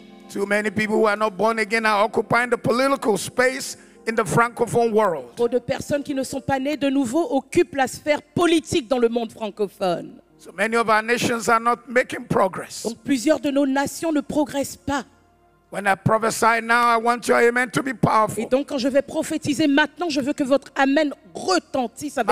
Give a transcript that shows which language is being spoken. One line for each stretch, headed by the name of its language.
English: Too many people who are not born again are occupying the political space. In the francophone world.
French: Trop de personnes qui ne sont pas nées de nouveau occupent la sphère politique dans le monde francophone.
English: So many of our nations are not making progress.
French: Donc plusieurs de nos nations ne progressent pas.
English: When I prophesy now, I want your amen to be powerful.
French: Et donc quand je vais prophétiser maintenant, je veux que votre amen retentisse avec